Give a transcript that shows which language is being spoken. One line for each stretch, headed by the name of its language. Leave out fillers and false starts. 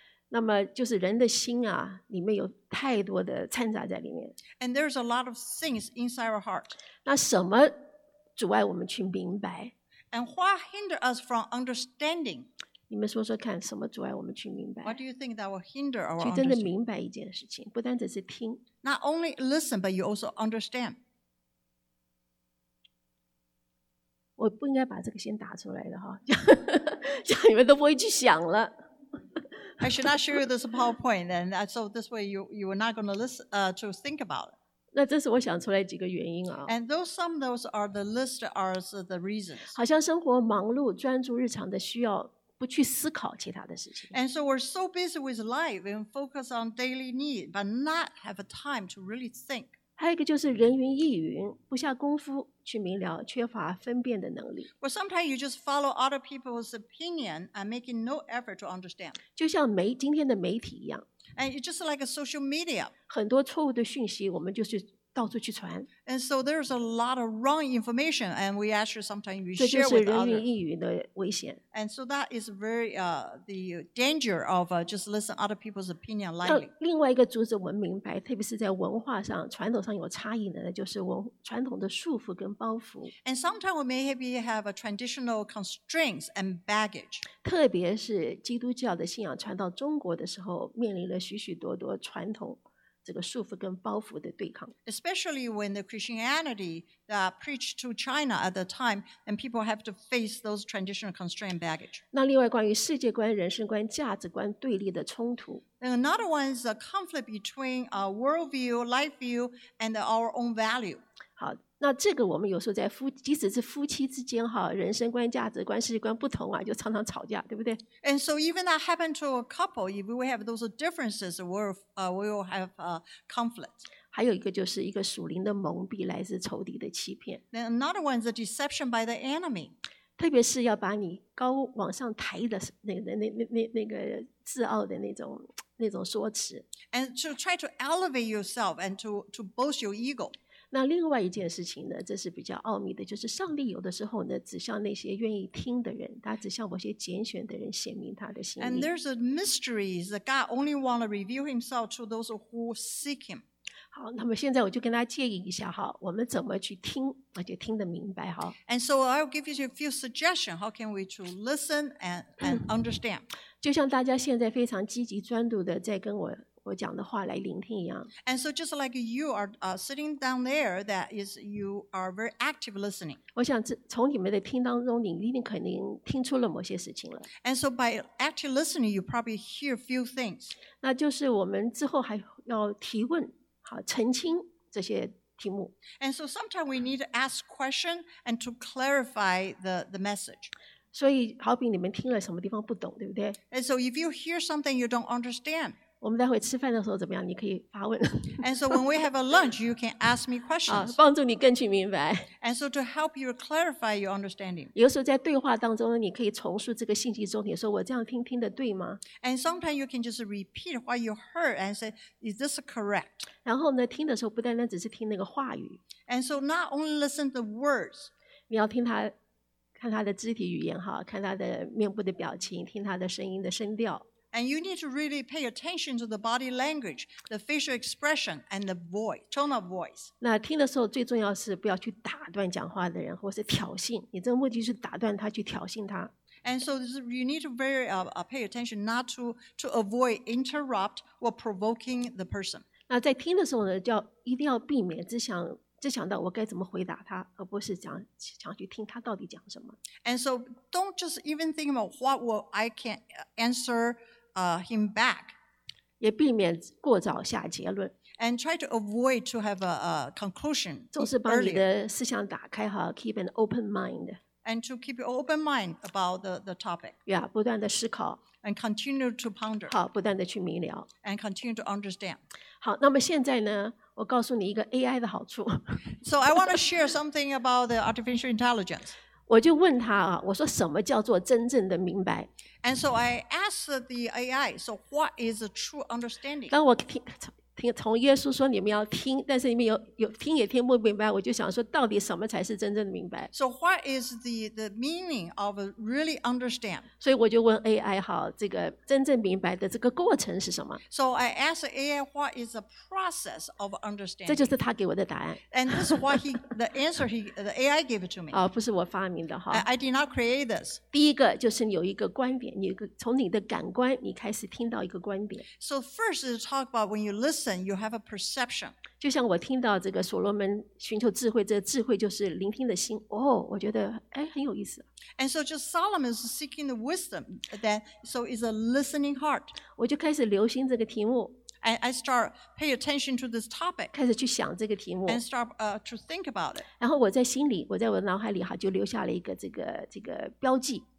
Chinese: 那么就是人的心啊，里面有太多的掺杂在里面。
English: And there's a lot of things inside our heart.
Chinese: 那什么阻碍我们去明白
English: ？And what hinder us from understanding?
Chinese: 你们说说看，什么阻碍我们去明白
English: ？What do you think that will hinder our understanding?
Chinese: 去真的明白一件事情，不单只是听。
English: Not only listen, but you also understand.
Chinese: 我不应该把这个先打出来的哈，叫你们都不会去想了。
English: I should not show you this PowerPoint, and so this way you are not going to listen to think about it.
Chinese: 那这是我想出来几个原因啊。
English: And those some of those are the list are the reasons.
Chinese: 好像生活忙碌，专注日常的需要，不去思考其他的事情。
English: And so we're so busy with life and focus on daily need, but not have a time to really think.
Chinese: 还有一个就是人云亦云，不下功夫去明了，缺乏分辨的能力。
English: Well, sometimes you just follow other people's opinion and making no effort to understand.
Chinese: 就像今天的媒体一样。
English: And it's just like a social media.
Chinese: 很多错误的讯息，我们就是到处去传。
English: And so there's a lot of wrong information, and we actually sometimes we share with others.
Chinese: 这就是人云亦云的危险。
English: And so that is very the danger of just listen other people's opinion lightly.
Chinese: 另外一个阻止我们明白，特别是在文化上、传统上有差异的，就是传统的束缚跟包袱。
English: And sometimes we maybe have a traditional constraints and baggage.
Chinese: 特别是基督教的信仰传到中国的时候，面临了许许多多传统。这个束缚跟包袱的对抗
English: especially when the Christianity preached to China at the time, and people have to face those traditional constraint baggage.
Chinese: 那另外关于世界观、人生观、价值观对立的冲突
English: and another one is a conflict between our worldview, life view, and our own value.
Chinese: 好，那这个我们有时候在即使是夫妻之间哈，人生观、价值观、世界观不同啊，就常常吵架，对不对
English: ？And so even that happened to a couple, if we have those differences, we will have a conflict.
Chinese: 还有一个就是一个属灵的蒙蔽，来自仇敌的欺骗。
English: Then another one is a deception by the enemy.
Chinese: 特别是要把你高往上抬的那个自傲的那种说辞。
English: And to try to elevate yourself and to boast your ego.
Chinese: 那另外一件事情呢，这是比较奥秘的，就是上帝有的时候呢，指向那些愿意听的人，他指向某些拣选的人，显明他的心意。
English: And there's a mystery that God only want to reveal himself to those who seek him.
Chinese: 好，那么现在我就跟大家建议一下哈，我们怎么去听，而且听得明白哈。
English: And so I'll give you a few suggestions. How can we to listen and understand?
Chinese: 就像大家现在非常积极专注的在跟我讲的话来聆听一样。
English: And so just like you are sitting down there, that is you are very active listening.
Chinese: 我想从你们的听当中，你一定肯定听出了某些事情了。
English: And so by active listening, you probably hear few things.
Chinese: 那就是我们之后还要提问，好澄清这些题目。
English: And so sometimes we need to ask question and to clarify the message.
Chinese: 所以好比你们听了什么地方不懂，对不对
English: ？And so if you hear something you don't understand.
Chinese: 我们待会吃饭的时候怎么样？你可以发问。
English: And so when we have a lunch, you can ask me questions.
Chinese: 帮助你更去明白。
English: And so to help you clarify your understanding.
Chinese: 有时候在对话当中你可以重述这个信息重点，说我这样听得对吗
English: ？And sometimes you can just repeat what you heard and say, is this correct?
Chinese: 然后呢，听的时候不单单只是听那个话语。
English: And so not only listen to words.
Chinese: 你要听他，看他的肢体语言哈，看他的面部的表情，听他的声音的声调。
English: And you need to really pay attention to the body language, the facial expression, and the voice, tone of voice.
Chinese: 那听的时候最重要是不要去打断讲话的人，或是挑衅。你这个目的是打断他，去挑衅他。
English: And so you need to very pay attention not to, to avoid interrupt or provoking the person.
Chinese: 那在听的时候呢，要一定要避免只想到我该怎么回答他，而不是想去听他到底讲什么。
English: And so don't just even think about what will I can answer him back.
Chinese: 也避免过早下结论。
English: And try to avoid to have a conclusion.
Chinese: 总是把你的思想打开哈 ，
English: keep an open mind. And to keep your open mind about the topic.
Chinese: Yeah, 不断的思考。
English: And continue to ponder.
Chinese: 好，不断的去明了。
English: And continue to understand.
Chinese: 好，那么现在呢？我告诉你一个 AI 的好处。
English: So I want to share something about the artificial intelligence.
Chinese: 我就问他啊，我说什么叫做真正的明白
English: ？And so I asked the AI, so what is a true understanding?
Chinese: 当我听从耶稣说你们要听，但是你们有听也听不明白，我就想说到底什么才是真正的明白
English: ？So what is the meaning of really understand?
Chinese: 所以我就问 AI 哈，这个真正明白的这个过程是什么
English: ？So I asked AI what is the process of understanding?
Chinese: 这就是他给我的答案。
English: And this is what the AI gave it to me.
Chinese: 哦，不是我发明的哈。
English: I did not create this.
Chinese: 第一个就是你有一个观点，你从你的感官你开始听到一个观点。
English: So first is talk about when you listen. Listen, you have a perception.
Chinese: 就像我听到这个所罗门寻求智慧，这个、智慧就是聆听的心。哦，我觉得哎很有意思。
English: And so, just Solomon is seeking the wisdom. Then, so is a listening heart.
Chinese: 我就开始留心这个题目。
English: I start pay attention to this topic.
Chinese: 开始去想这个题目。
English: And start to think about it.
Chinese: 然后我在心里，我在我脑海里哈，就留下了一个这个标记。